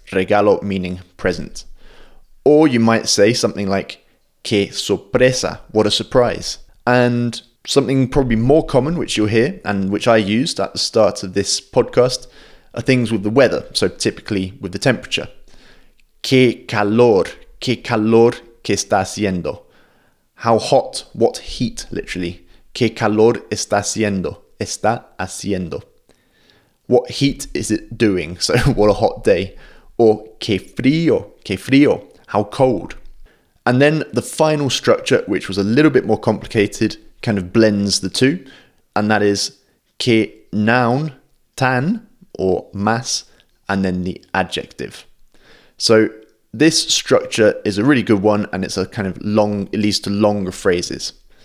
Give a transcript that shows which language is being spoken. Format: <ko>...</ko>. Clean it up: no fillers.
<en>Regalo meaning present. Or you might say something like</en> <es>que sorpresa,</es> <en>what a surprise. And something probably more common, which you'll hear, and which I used at the start of this podcast, are things with the weather, so typically with the temperature.</en> <es>Qué calor que está haciendo.</es> <en>How hot, what heat, literally.</en> <es>Qué calor está haciendo.</es> <en>What heat is it doing? So what a hot day. or</en> <es>qué frío, qué frío,</es> <en>how cold. And then the final structure, which was a little bit more complicated, kind of blends the two, and that is qué noun, tan, or más, and then the adjective. So this structure is a really good one, and it's a kind of long, it leads to longer phrases.</en>